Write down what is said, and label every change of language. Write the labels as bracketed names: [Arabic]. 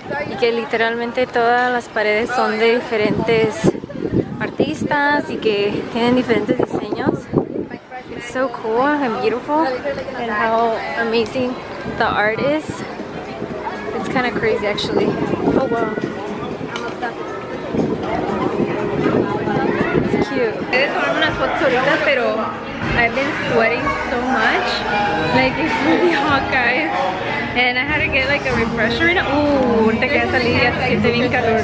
[Spanish] Y que literalmente todas las paredes son de diferentes artistas y que tienen diferentes diseños. [English] It's so cool and beautiful and how amazing the art is. It's kind of crazy actually. Oh wow. It's cute. [Spanish] Quiero tomar unas fotos ahorita, pero [English] I've been sweating so much. Like it's really hot, guys. And I had to get like a refresher in it. [Spanish] Ooh, te quedas a lidia, se siente bien calor.